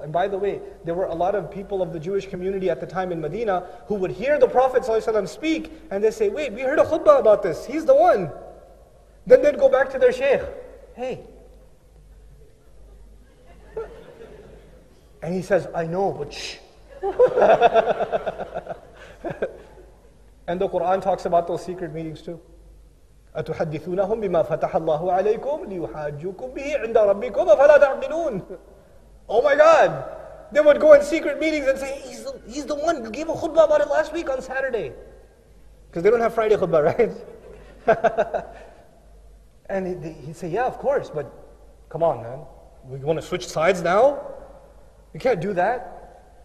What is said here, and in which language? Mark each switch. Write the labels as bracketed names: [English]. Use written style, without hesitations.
[English] And by the way, there were a lot of people of the Jewish community at the time in Medina who would hear the Prophet ﷺ speak, and they'd say, wait, we heard a khutbah about this. He's the one. Then they'd go back to their sheikh. Hey. And he says, I know, but shh. And the Quran talks about those secret meetings too. [Arabic] أَتُحَدِّثُونَهُمْ بِمَا فَتَحَ اللَّهُ عَلَيْكُمْ لِيُحَاجُّكُمْ بِهِ عِنْدَ رَبِّكُمْ أَفَلَا تَعْقِلُونَ [English] Oh my God! They would go in secret meetings and say, he's the one who gave a khutbah about it last week on Saturday. Because they don't have Friday khutbah, right? And he'd say, yeah, of course, but come on, man. We want to switch sides now? You can't do that.